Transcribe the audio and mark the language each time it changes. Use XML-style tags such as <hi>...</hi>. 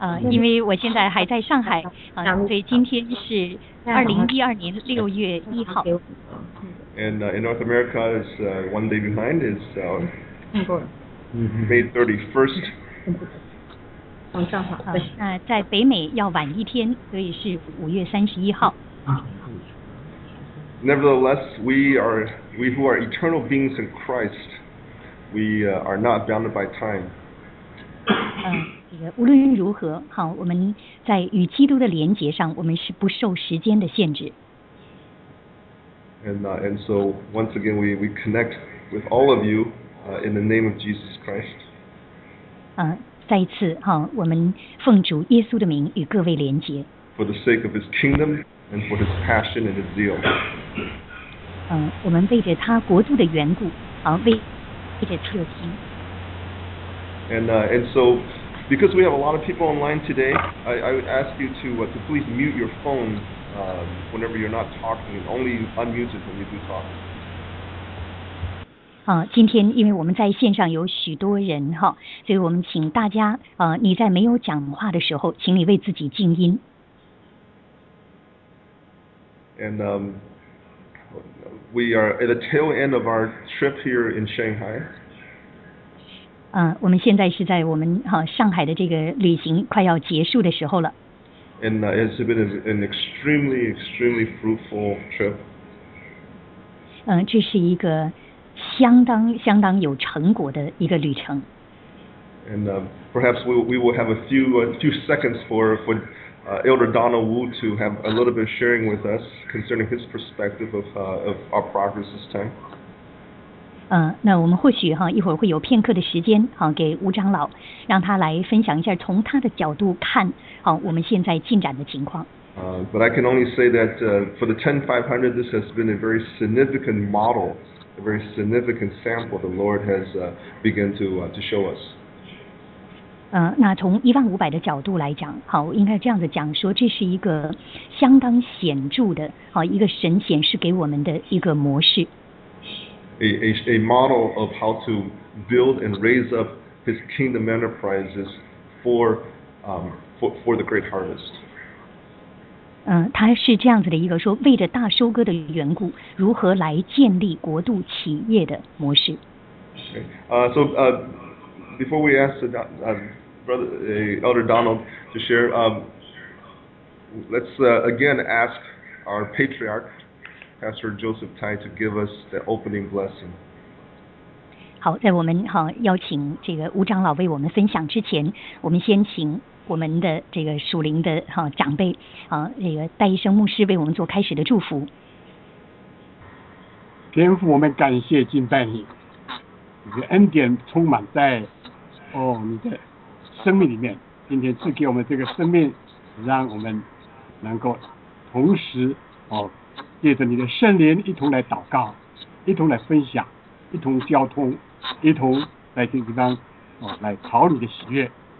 <zh>因为我现在还在上海，所以今天是2012年6月1号。</zh> <en>And in North America, is one day behind. Is May 31st.</en> <zh>晚上好。那在北美要晚一天，所以是5月31号。</zh> <en>Nevertheless, we who are eternal beings in Christ, we are not bounded by time.</en> <zh>无论如何，好，我们在与基督的连结上，我们是不受时间的限制。</zh> <en>And so once again we connect with all of you in the name of Jesus Christ.</en> <zh>再一次哈，我们奉主耶稣的名与各位连结。</zh> <en>For the sake of His kingdom and for His passion and His zeal.</en> <zh>我们为着他国度的缘故，好，为着热心。</zh> <en>And so because we have a lot of people online today, I would ask you to please mute your phone. Whenever you're not talking, only unmute it when you do talk.</en> <zh>今天因为我们在线上有许多人哈，所以我们请大家你在没有讲话的时候，请你为自己静音。</zh> <en>And we are at the tail end of our trip here in Shanghai.</en> <zh>我们现在是在我们上海的这个旅行快要结束的时候了。</zh> <en>And it's been an extremely, extremely fruitful trip.</en> <zh>这是一个相当相当有成果的一个旅程。</zh> <en>And perhaps we will have a few seconds for Elder Donald Wu to have a little bit of sharing with us concerning his perspective of our progress this time.</en> <zh>那我们或许一会儿会有片刻的时间给吴长老，让他来分享一下从他的角度看我们现在进展的情况。</zh> <en>But I can only say that for the 10500, this has been a very significant model, a very significant sample the Lord has begun to show us.</en> <zh>那从1500的角度来讲，好，应该这样子讲，说这是一个相当显著的一个神显示给我们的一个模式。</zh> <en>A model of how to build and raise up His kingdom enterprises for the great harvest.</en> <zh>它是这样子的一个说，为着大收割的缘故，如何来建立国度企业的模式。</zh> <en>Okay. Before we ask Elder Donald to share, let's again ask our patriarch. Pastor Joseph Tai to give us the opening blessing.</en> <zh>好，在我们邀请这个吴长老为我们分享之前，我们先请我们的这个属灵的长辈这个戴医生牧师为我们做开始的祝福。天父，我们感谢敬拜你，你的恩典充满在你的生命里面，今天赐给我们这个生命，让我们能够同时借着你的圣灵一同来祷告，一同来分享，一同交通，一同在这个地方来讨你的喜悦。</zh>